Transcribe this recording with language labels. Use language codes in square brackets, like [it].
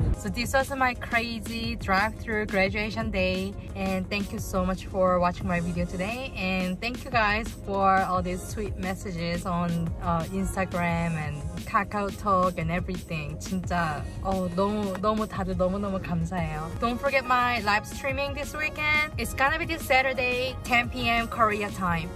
[en] This was my crazy drive-through graduation day, and thank you so much for watching my video today, and thank you guys for all these sweet messages on Instagram and KakaoTalk and everything. [ko] 진짜 너무 다들 너무 감사해요. [en] Don't forget my live streaming this weekend. It's gonna be this Saturday, 10 PM Korea time.